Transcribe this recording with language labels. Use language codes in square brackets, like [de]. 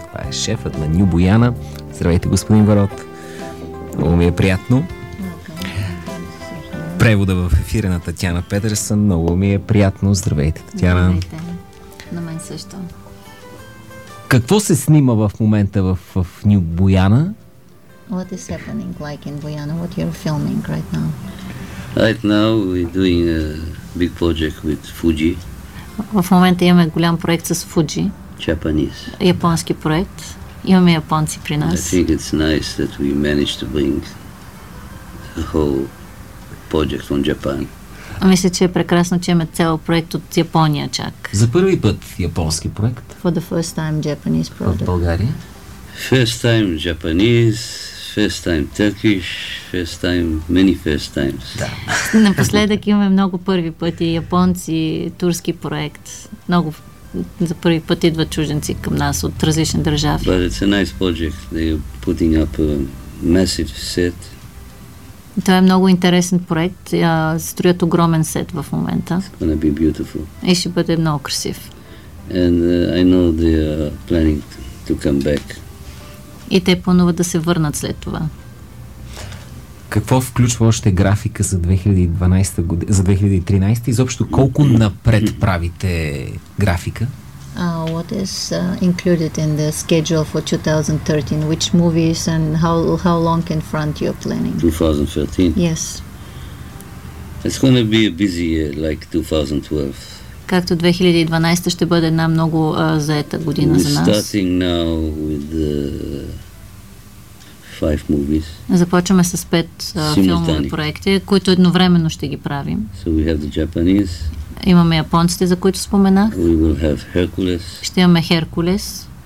[bg] Това е шефът на Ню Бояна. Здравейте, господин Варот. Много ми е приятно. Превода в ефира на Татяна Петерсън. Много ми е приятно. Здравейте, Татяна. Здравейте. На мен също. Какво се снима в момента в Ню Бояна? [en] What is happening like in Guyana? What you're filming right now? Right now we're doing a big project with Fuji. [bg] В момента имаме голям проект с Fuji. [en] Japanese. [bg] Японски проект. Имаме японци при нас. [en] I think it's nice that we managed to bring a whole project on Japan. [bg] Мисля, че е прекрасно, че имаме цял проект от Япония чак. За първи път японски проект. [en] For the first time Japanese project. [bg] В България. [en] First time Japanese, first time Turkish, first time, many first times. [bg] Да. Напоследък имаме много първи пъти японци, турски проект. Много за първи път идват чуженци към нас от различни държави. [en] But it's a nice project. They're putting up a massive set. [bg] Това е много интересен проект. Строят огромен сет в момента. [en] It's gonna be beautiful. [bg] И ще бъде много красив. [en] And I know they are planning to come back. [bg] И те плануват да се върнат след това. Какво включва още графика за 2012 година, за 2013? Изобщо колко напред правите графика? [en] What is included in the schedule for 2013? Which movies and how long in front you're planning? 2013? Yes. It's going to be a busy year like 2012. [bg] Както 2012 ще бъде една много заета година за нас. [en] Starting now with the 5 movies. [bg] Започваме с 5 филмови проекти, които едновременно ще ги правим. [en] So we have the Japanese. [bg] Имаме японците, за които споменах. [en] We will have Hercules. [bg] Ще имаме Hercules.